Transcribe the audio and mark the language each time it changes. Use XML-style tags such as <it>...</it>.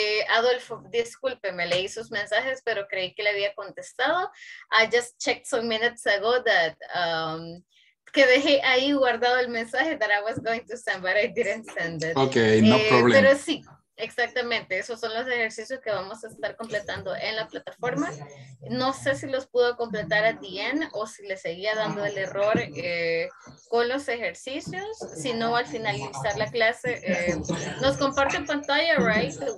<es>Adolfo, disculpe, me leí sus mensajes, pero creí que le había contestado.</es> <en>I just checked some minutes ago that</en> <es>que dejé ahí guardado el mensaje</es> <en>that I was going to send, but I didn't send it. Okay, no problem.</en> <es>Pero sí, exactamente. Esos son los ejercicios que vamos a estar completando en la plataforma. No sé si los pudo completar</es> <en>at the end</en> <es>o si le seguía dando el error con los ejercicios. Si no, al finalizar la clase, nos comparte en pantalla, right?</es>